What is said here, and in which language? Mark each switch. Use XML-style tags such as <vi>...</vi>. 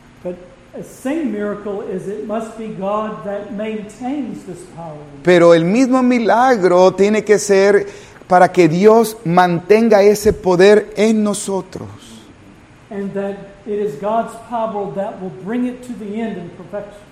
<en>The same miracle is it must be God that maintains this power.</en> <es>Pero el mismo milagro tiene que ser para que Dios mantenga ese poder en nosotros.</es> <en>And that it is God's power that will bring it to the end in perfection.</en>